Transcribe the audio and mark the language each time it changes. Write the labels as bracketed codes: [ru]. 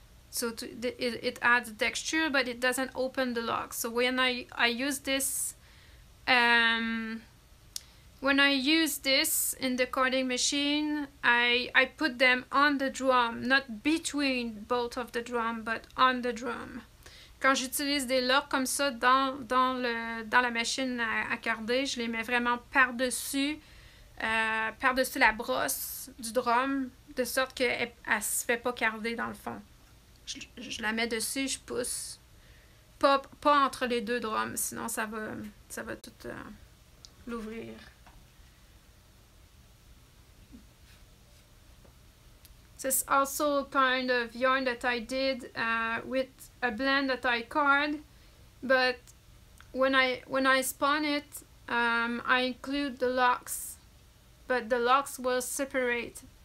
[en] So it adds texture, but it doesn't open the lock. So when I use this in the carding machine, I put them on the drum, not between both of the drum, but on the drum. [fr] Quand j'utilise des locks comme ça dans la machine à carder, je les mets vraiment par-dessus la brosse du drum, de sorte qu'elle ne se fait pas carder dans le fond. Je la mets dessus, je pousse. Pas entre les deux drums, sinon ça va tout l'ouvrir. [en] This also kind of yarn that I did with a blend that I card, but when I spun it, I include the locks, but the locks were separate.